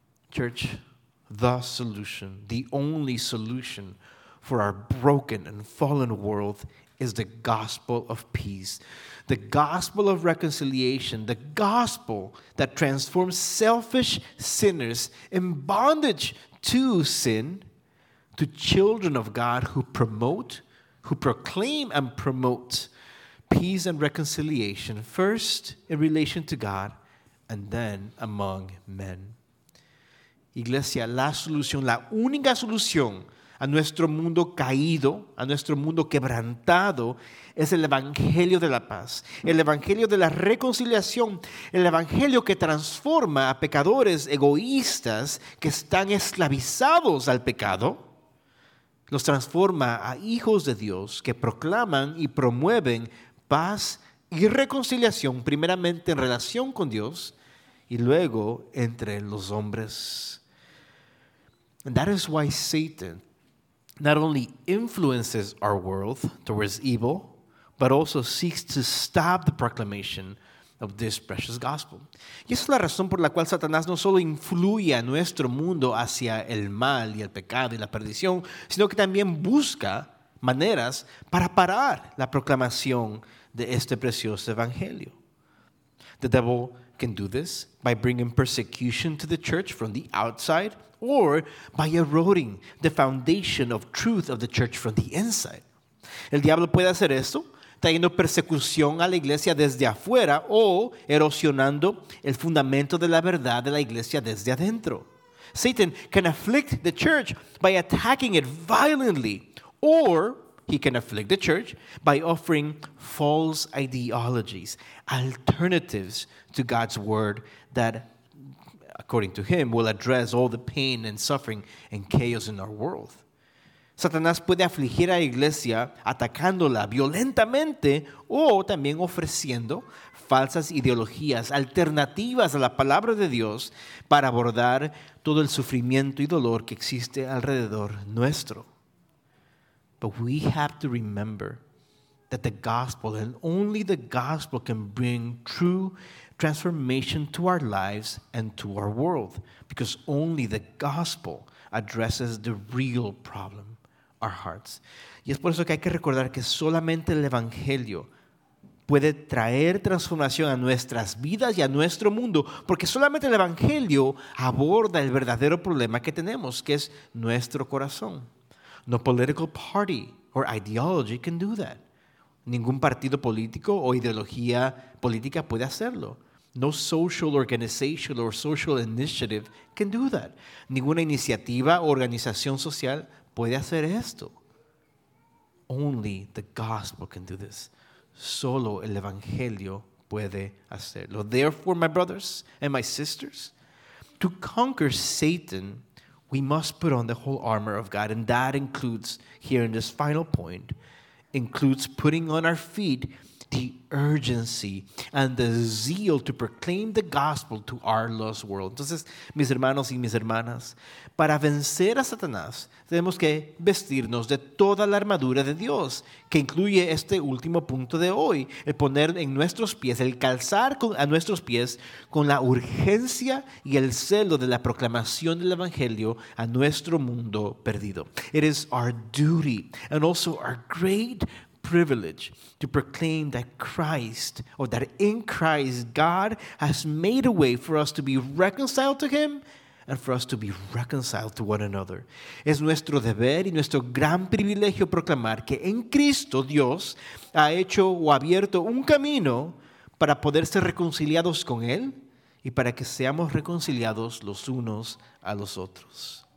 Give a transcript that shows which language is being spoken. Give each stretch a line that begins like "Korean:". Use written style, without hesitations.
English: Church, the solution, the only solution for our broken and fallen world is the gospel of peace, the gospel of reconciliation, the gospel that transforms selfish sinners in bondage to sin to children of God who promote, who proclaim and promote peace and reconciliation, first in relation to God and then among men.
Spanish: Iglesia, la solución, la única solución a nuestro mundo caído, a nuestro mundo quebrantado, es el Evangelio de la paz, el Evangelio de la reconciliación, el Evangelio que transforma a pecadores egoístas que están esclavizados al pecado, los transforma a hijos de Dios que proclaman y promueven paz y reconciliación, primeramente en relación con Dios y luego entre los hombres.
English: And that is why Satan not only influences our world towards evil, but also seeks to stop the proclamation of this precious gospel.
Spanish: Y esa es la razón por la cual Satanás no solo influye a nuestro mundo hacia el mal y el pecado y la perdición, sino que también busca maneras para parar la proclamación de este precioso evangelio.
English: The devil can do this by bringing persecution to the church from the outside, or by eroding the foundation of truth of the church from the inside.
Spanish: El diablo puede hacer esto, trayendo persecución a la iglesia desde afuera o erosionando el fundamento de la verdad de la iglesia desde adentro.
English: Satan can afflict the church by attacking it violently, or he can afflict the church by offering false ideologies, alternatives to God's word that, according to him, will address all the pain and suffering and chaos in our world.
Spanish: Satanás puede afligir a la iglesia atacándola violentamente o también ofreciendo falsas ideologías alternativas a la palabra de Dios para abordar todo el sufrimiento y dolor que existe alrededor nuestro.
English: But we have to remember that the gospel and only the gospel can bring true transformation to our lives and to our world, because only the gospel addresses the real problem, our hearts.
Spanish: Y es por eso que hay que recordar que solamente el evangelio puede traer transformación a nuestras vidas y a nuestro mundo, porque solamente el evangelio aborda el verdadero problema que tenemos, que es nuestro corazón.
English: No political party or ideology can do that.
Spanish: Ningún partido político o ideología política puede hacerlo.
English: No social organization or social initiative can do that.
Spanish: Ninguna iniciativa o organización social puede hacer esto.
English: Only the gospel can do this.
Spanish: Solo el evangelio puede hacerlo.
English: Therefore, my brothers and my sisters, to conquer Satan, We must put on the whole armor of God, and that includes, here in this final point, includes putting on our feet the urgency and the zeal to proclaim the gospel to our lost world.
Spanish: Entonces, mis hermanos y mis hermanas, para vencer a Satanás, tenemos que vestirnos de toda la armadura de Dios, que incluye este último punto de hoy, el poner en nuestros pies, el calzar a nuestros pies con la urgencia y el celo de la proclamación del evangelio a nuestro mundo perdido.
English: It is our duty and also our great privilege to proclaim that Christ, or that in Christ, God has made a way for us to be reconciled to Him and for us to be reconciled to one another.
Spanish: Es nuestro deber y nuestro gran privilegio proclamar que en Cristo Dios ha hecho o abierto un camino para poder ser reconciliados con Él y para que seamos reconciliados los unos a los otros.